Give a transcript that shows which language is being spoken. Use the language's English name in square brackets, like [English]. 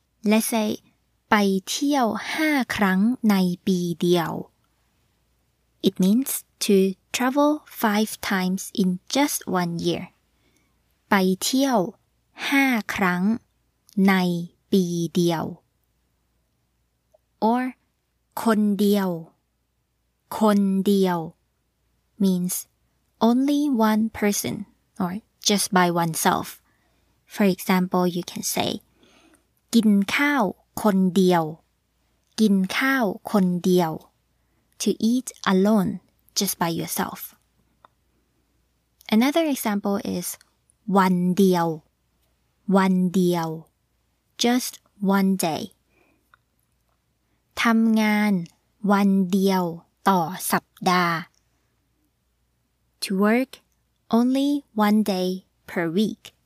[English] Let's say, [Thai] ไปเที่ยว5 ครั้งในปีเดียว. [English] It means to travel 5 times in just 1 year. [Thai] ไปเที่ยว5 ครั้งในปีเดียว. [English] Or, [Thai] คนเดียว. คนเดียว [English] means only one person or just by oneself. For example, you can say, [Thai] กินข้าวคนเดียว. กินข้าวคนเดียว. [English] To eat alone, just by yourself. Another example is, [Thai] วันเดียว.วันเดียว. [English] Just one day. [Thai] ทำงานวันเดียวต่อสัปดาห์ [English] To work only 1 day per week.